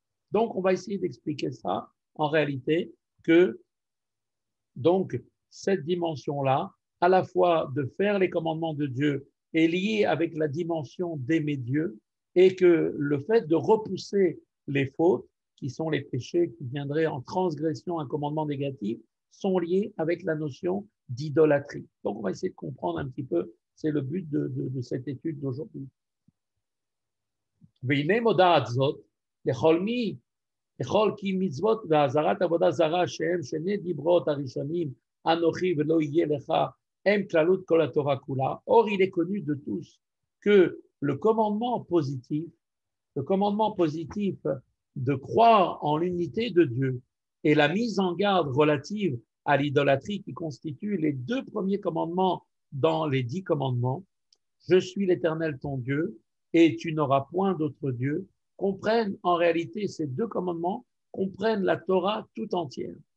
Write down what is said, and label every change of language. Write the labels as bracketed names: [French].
[French] Donc on va essayer d'expliquer ça, en réalité, que donc cette dimension-là, à la fois de faire les commandements de Dieu, est liée avec la dimension d'aimer Dieu, et que le fait de repousser les fautes, qui sont les péchés qui viendraient en transgression à un commandement négatif, sont liés avec la notion d'idolâtrie. Donc on va essayer de comprendre un petit peu, c'est le but de cette étude d'aujourd'hui. [Hebrew] והנה מודעת זאת לכל מי, לכל כי מצוות והזרת עבודה זרה שהם שני דיברות הראשונים, אנוכי ולא יהיה לך, הם כללות כל התורה כולה. [French] Or, il est connu de tous que le commandement positif de croire en l'unité de Dieu et la mise en garde relative à l'idolâtrie qui constitue les deux premiers commandements dans les 10 commandements, « Je suis l'Éternel ton Dieu » et tu n'auras point d'autre Dieu, comprennent en réalité ces deux commandements, comprennent la Torah tout entière.